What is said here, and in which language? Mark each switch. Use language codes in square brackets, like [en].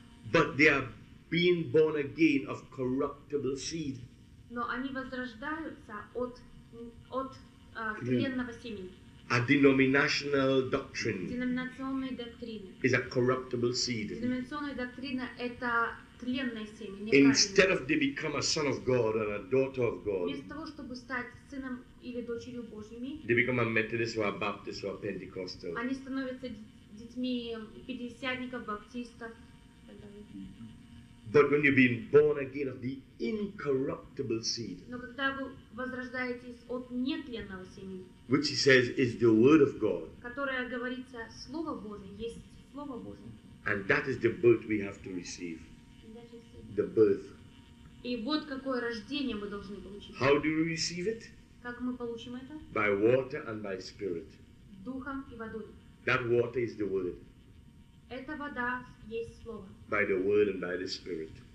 [en] But they are being born again of corruptible seed. [ru] Но они возрождаются от тленного семени. [en] A denominational doctrine. [ru] Деноминационная доктрина. [en] Is a corruptible seed. [ru] Деноминационная доктрина это тленное семя. [en] Instead of they become a son of God and a daughter of God. [ru] Вместо того чтобы стать сыном или дочерью Божьими. [en] They become a Methodist or a Baptist or a Pentecostal. [ru] Они становятся детьми пятидесятников, баптистов. [en] But when you've been born again of the incorruptible seed, [ru] но когда вы возрождаетесь от нетленного семени, [en] which he says is the word of God, [ru] которое говорится слово Божие, есть слово Божие, [en] and that is the birth we have to receive, the birth. [ru] И вот какое рождение мы должны получить. [en] How do we receive it? [ru] Как мы получим это? [en] By water and by spirit. [ru] Духом и водой. [en] That water is the word. [ru] Эта вода есть слово. [en] By the word and by the spirit.